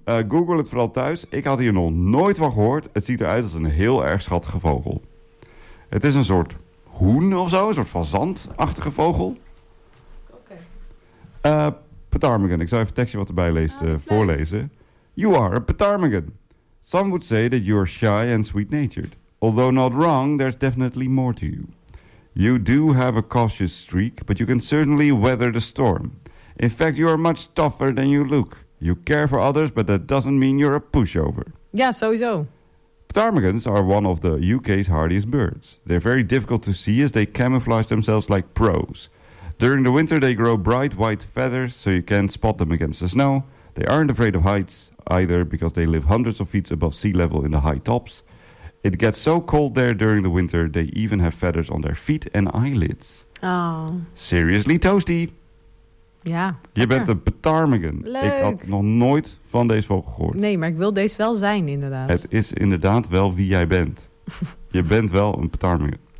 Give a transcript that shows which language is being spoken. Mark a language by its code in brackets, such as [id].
[nl] Google het vooral thuis. Ik had hier nog nooit van gehoord. Het ziet eruit als een heel erg schattige vogel. Het is een soort hoen of zo. Een soort fazantachtige vogel. Oké. [en] Ptarmigan. [nl] Ik zou even het tekstje wat erbij leest voorlezen. [en] You are a ptarmigan. Some would say that you are shy and sweet-natured. Although not wrong, there's definitely more to you. You do have a cautious streak, but you can certainly weather the storm. In fact, you are much tougher than you look. You care for others, but that doesn't mean you're a pushover. Yeah, [nl] sowieso. [en] Ptarmigans are one of the UK's hardiest birds. They're very difficult to see as they camouflage themselves like pros. During the winter, they grow bright white feathers, so you can't spot them against the snow. They aren't afraid of heights either, because they live hundreds of feet above sea level in the high tops. It gets so cold there during the winter, they even have feathers on their feet and eyelids. Oh. Seriously toasty! [nl] Ja. Je bent een ptarmigan. Leuk. Ik had nog nooit van deze vogel gehoord. Nee, maar ik wil deze wel zijn, inderdaad. Het is inderdaad wel wie jij bent. Je bent wel een ptarmigan.